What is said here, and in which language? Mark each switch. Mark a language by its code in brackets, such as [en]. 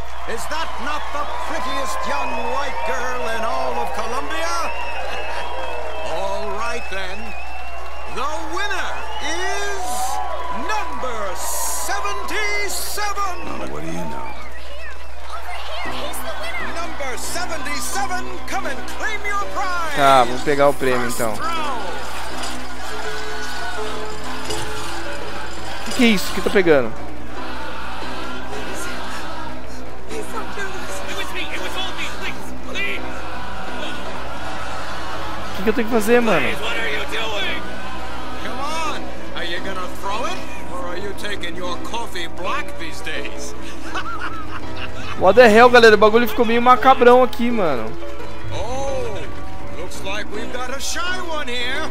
[en] Is that not the prettiest young white girl in all of Colombia? Then, the winner is number 77. Now, what do you know? Number 77, come and claim your prize. [pt] Tá, vamos pegar o prêmio então. O que é isso? O que tá pegando? O que eu tenho que fazer, mano? [en] Come on! Are you gonna throw it? Or are you taking your coffee black these days? What the hell, [pt] galera? O bagulho ficou meio macabrão aqui, mano. [en] Oh, looks like we've got a shy one here.